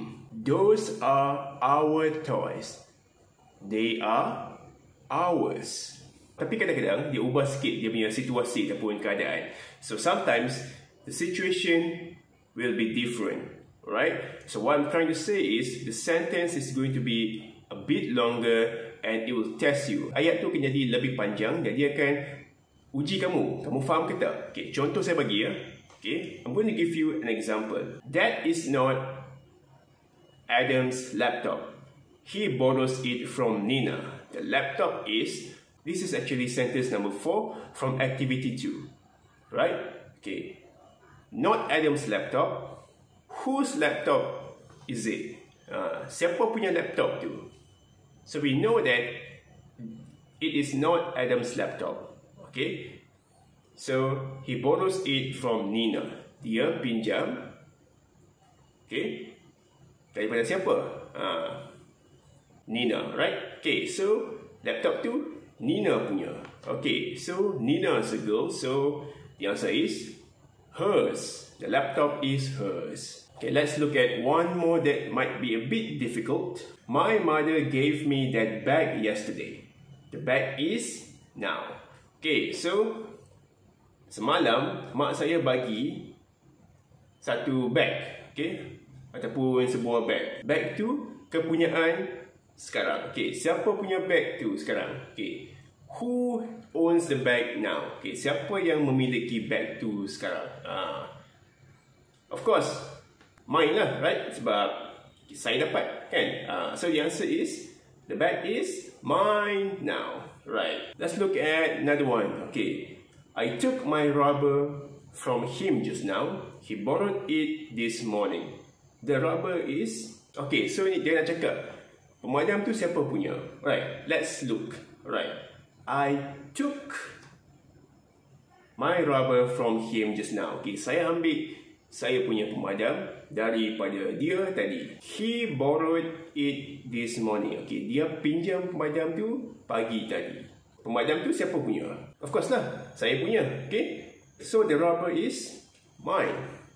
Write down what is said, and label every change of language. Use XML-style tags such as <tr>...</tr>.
<en>Those are our toys. They are ours.</en> <ms>Tapi kadang-kadang, dia ubah sikit dia punya situasi ataupun keadaan.</ms> <en>So, sometimes, the situation will be different. Right? So, what I'm trying to say is, the sentence is going to be a bit longer and it will test you.</en> <ms>Ayat tu akan jadi lebih panjang dan dia akan uji kamu. Kamu faham ke tak? Okay, contoh saya bagi ya.</ms> <en>Okay, I'm going to give you an example. That is not Adam's laptop. He borrows it from Nina. The laptop is, this is actually sentence number 4 from activity 2. Right? Okay. Not Adam's laptop. Whose laptop is it?</en> <ms>Siapa punya laptop tu?</ms> <en>So we know that it is not Adam's laptop. Okay, so he borrows it from Nina.</en> <ms>Dia pinjam, okay, daripada siapa? Nina, right? Okay, so laptop tu Nina punya.</ms> <en>Okay, so Nina is a girl, so the answer is hers. The laptop is hers. Okay, let's look at one more that might be a bit difficult. My mother gave me that bag yesterday. The bag is now.</en> <ms>Okay, so semalam mak saya bagi satu bag, okay, ataupun sebuah bag. Bag tu kepunyaan sekarang. Okay, siapa punya bag tu sekarang?</ms> <en>Okay, who owns the bag now? Okay,</en> <ms>siapa yang memiliki bag tu sekarang?</ms> <en>Of course, mine lah, right?</en> <ms>Sebab saya dapat, kan?</ms> <en>So the answer is, the bag is mine now. Right. Let's look at another one. Okay. I took my rubber from him just now. He borrowed it this morning. The rubber is... Okay, so</en> <ms>ni dia nak cakap. Pemadam tu siapa punya?</ms> <en>Right. Let's look. Right. I took my rubber from him just now.</en> <ms>Okay, saya ambil saya punya pemadam daripada dia tadi.</ms> <en>He borrowed it this morning.</en> <ms>Okay, dia pinjam pemadam tu pagi tadi. Pemadam tu siapa punya? Of course lah, saya punya.</ms> <en>Okay, so the rubber is mine.</en>